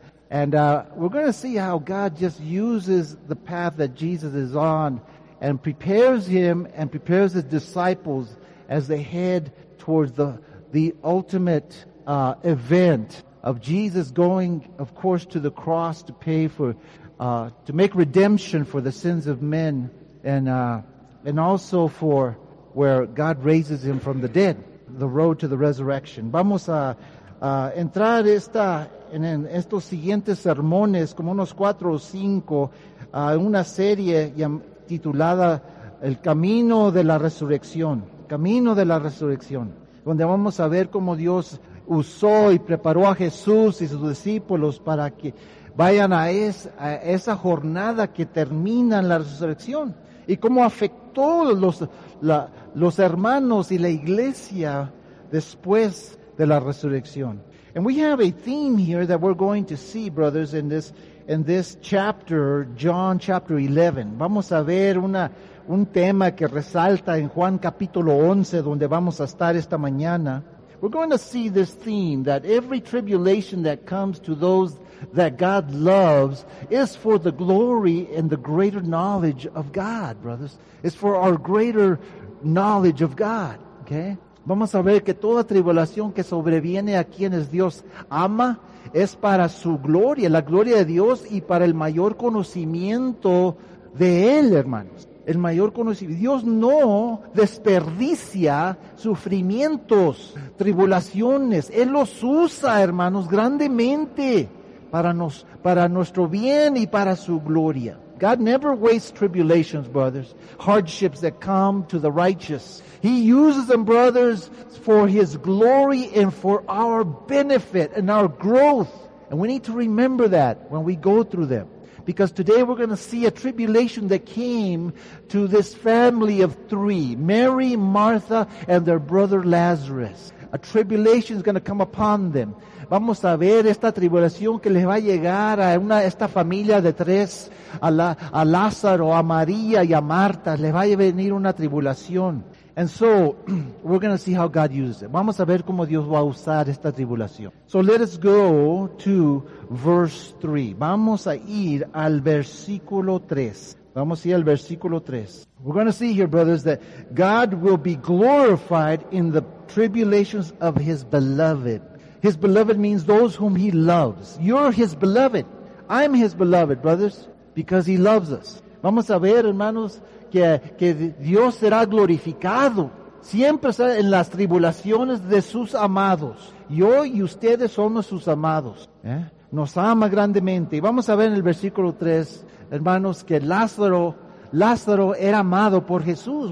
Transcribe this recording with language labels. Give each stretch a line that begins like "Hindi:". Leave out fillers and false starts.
English: And we're going to see how God just uses the path that Jesus is on and prepares him and prepares his disciples as they head towards the ultimate event of Jesus going, of course, to the cross to pay for, to make redemption for the sins of men, and also for where God raises him from the dead, the road to the resurrection.
Spanish: Vamos a entrar esta en estos siguientes sermones, como unos cuatro o cinco, una serie titulada El Camino de la Resurrección. Camino de la Resurrección, donde vamos a ver cómo Dios usó y preparó a Jesús y sus discípulos para que vayan a esa jornada que termina en la resurrección, y cómo afectó los hermanos y la iglesia después de la resurrección.
English: And we have a theme here that we're going to see, brothers, in this chapter, John chapter 11.
Spanish: Vamos a ver un tema que resalta en Juan capítulo 11, donde vamos a estar esta mañana.
English: We're going to see this theme, that every tribulation that comes to those that God loves is for the glory and the greater knowledge of God, brothers. It's for our greater knowledge of God, okay?
Spanish: Vamos a ver que toda tribulación que sobreviene a quienes Dios ama es para su gloria, la gloria de Dios, y para el mayor conocimiento de Él, hermanos. El mayor conocimiento. Dios no desperdicia sufrimientos, tribulaciones. Él los usa, hermanos, grandemente para nuestro bien y para su gloria.
English: God never wastes tribulations, brothers, hardships that come to the righteous. He uses them, brothers, for His glory and for our benefit and our growth. And we need to remember that when we go through them. Because today we're going to see a tribulation that came to this family of three, Mary, Martha, and their brother Lazarus. A tribulation is going to come upon them.
Spanish: Vamos a ver esta tribulación que les va a llegar a esta familia de tres, a Lázaro, a María y a Marta. Les va a venir una tribulación.
English: And so, we're going to see how God uses it.
Spanish: Vamos a ver cómo Dios va a usar esta tribulación.
English: So let us go to verse 3.
Spanish: Vamos a ir al versículo 3. Vamos a ir al versículo 3.
English: We're going to see here, brothers, that God will be glorified in the tribulations of His beloved. His beloved means those whom He loves. You're His beloved. I'm His beloved, brothers, because He loves us.
Spanish: Vamos a ver, hermanos, que Dios será glorificado siempre en las tribulaciones de sus amados. Yo y ustedes somos sus amados. ¿Eh? Nos ama grandemente. Y vamos a ver en el versículo 3, hermanos, que Lázaro era amado por Jesús.